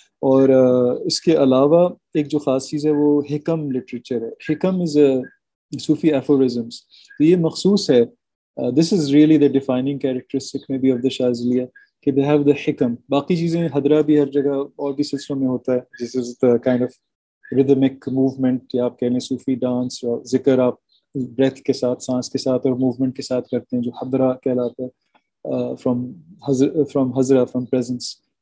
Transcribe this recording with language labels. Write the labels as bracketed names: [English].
[Urdu] اور اس کے علاوہ ایک جو خاص چیز ہے وہ حکم لٹریچر ہے. [English] حکم از صوفی ایفورزمس, [Urdu] تو یہ مخصوص ہے. [English] This is really the defining characteristic may be of the شاذلیہ کہ they have the حکم. [Urdu] باقی چیزیں حدرہ بھی ہر جگہ اور بھی سلسلوں میں ہوتا ہے. [English] this is the kind of rhythmic movement, [Urdu] یا آپ کہہ لیں صوفی ڈانس, اور ذکر آپ بریتھ کے ساتھ, سانس کے ساتھ اور موومنٹ کے ساتھ کرتے ہیں جو حدرہ کہلاتا ہے, [English] From حضرہ, from presence.